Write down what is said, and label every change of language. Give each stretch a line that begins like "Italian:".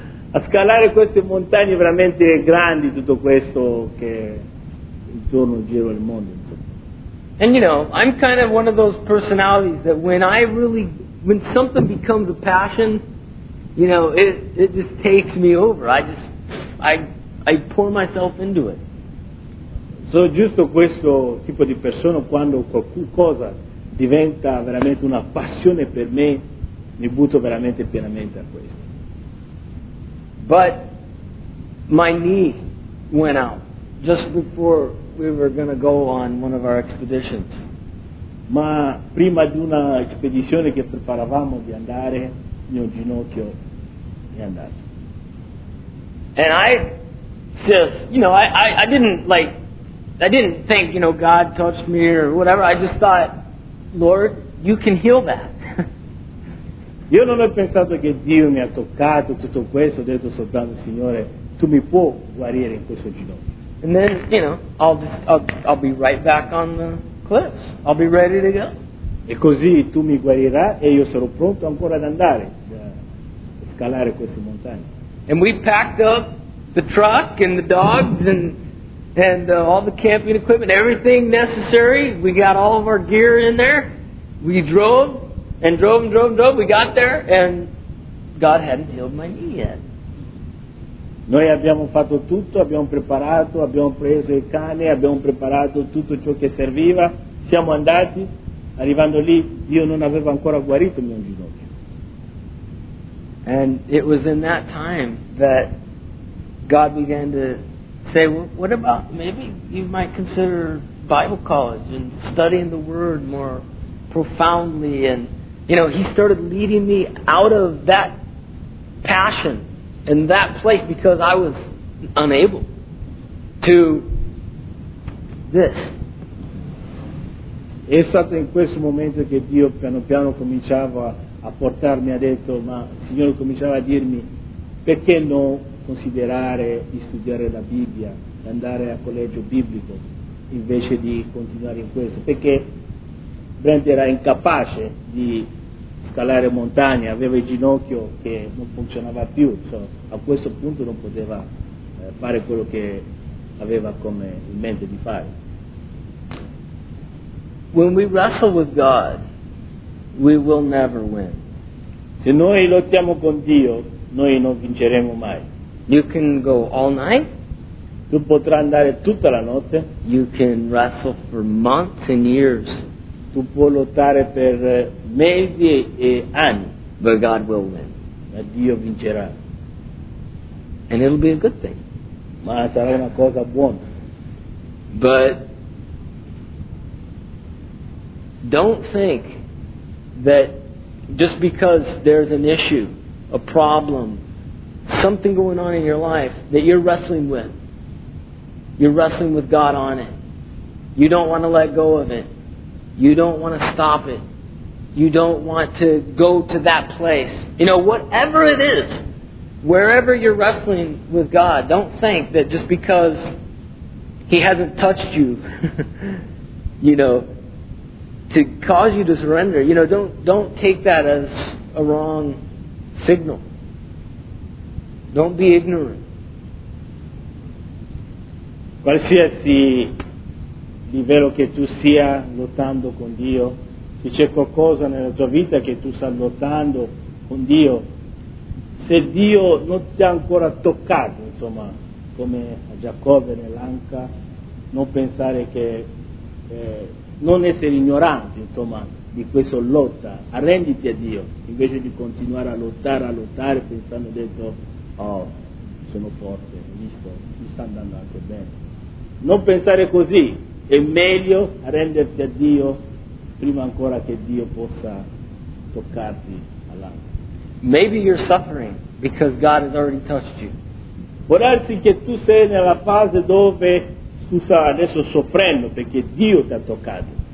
Italian: A scalare queste montagne veramente grandi, tutto questo che intorno giro il mondo.
English: And you know, I'm kind of one of those personalities that when I really, when something becomes a passion, you know, it just takes me over. I pour myself into it.
Italian: So giusto questo tipo di persona, quando qualcosa diventa veramente una passione per me, mi butto veramente pienamente a questo.
English: But my knee went out just before we were going to go on one of our expeditions.
Italian: Ma prima di una spedizione che preparavamo di andare, mio ginocchio è andato.
English: And I just, you know, I didn't like, I didn't think, you know, God touched me or whatever. I just thought, Lord, you can heal that.
Italian: Io non ho pensato che Dio mi ha toccato tutto questo. Ho detto soltanto, Signore, tu mi puoi guarire in questo ginocchio.
English: And then, you know, I'll be right back on the cliffs. I'll be ready to go.
Italian: E così tu mi guarirà e io sarò pronto ancora ad andare, a scalare queste montagne.
English: And we packed up the truck and the dogs and all the camping equipment, everything necessary. We got all of our gear in there. We drove and drove and drove and drove. We got there and God hadn't healed my knee yet.
Italian: Noi abbiamo fatto tutto, abbiamo preparato, abbiamo preso il cane, abbiamo preparato tutto ciò che serviva, siamo andati, arrivando lì, io non avevo ancora guarito il mio ginocchio.
English: And it was in that time that God began to say, what about, maybe you might consider Bible college and studying the Word more profoundly. And, you know, He started leading me out of that passion. In that place, because I was unable to this.
Italian: È stato in questo momento che Dio piano piano cominciava a portarmi, ha detto, ma il Signore cominciava a dirmi, perché non considerare di studiare la Bibbia, andare a collegio biblico, invece di continuare in questo? Perché Brent era incapace di scalare montagne, aveva il ginocchio che non funzionava più, cioè, a questo punto non poteva fare quello che aveva come in mente di fare.
English: When we wrestle with God, we will never win.
Italian: Se noi lottiamo con Dio, noi non vinceremo mai.
English: You can go all night.
Italian: Tu potrai andare tutta la notte.
English: You can wrestle for months and years.
Italian: Tu puoi lottare per mesi e anni,
English: but God will win.
Italian: Ma Dio vincerà.
English: And it'll be a good thing.
Italian: Ma sarà una cosa buona.
English: But don't think that just because there's an issue, a problem, something going on in your life that you're wrestling with, you're wrestling with God on it. You don't want to let go of it. You don't want to stop it. You don't want to go to that place. You know, whatever it is, wherever you're wrestling with God, don't think that just because He hasn't touched you, you know, to cause you to surrender, you know, don't take that as a wrong signal. Don't be ignorant.
Italian: Qualsiasi livello che tu sia lottando con Dio, se c'è qualcosa nella tua vita che tu stai lottando con Dio, se Dio non ti ha ancora toccato, insomma, come a Giacobbe nell'anca, non pensare che non essere ignoranti, insomma, di questa lotta, arrenditi a Dio, invece di continuare a lottare, pensando, detto, oh, sono forte, visto, mi sta andando anche bene. Non pensare così, è meglio arrenderti a Dio prima ancora che Dio possa toccarti all'anima.
English: Maybe you're suffering because God has already touched you.
Italian: Può darsi che tu sei nella fase dove tu stai adesso soffrendo perché Dio ti ha toccato.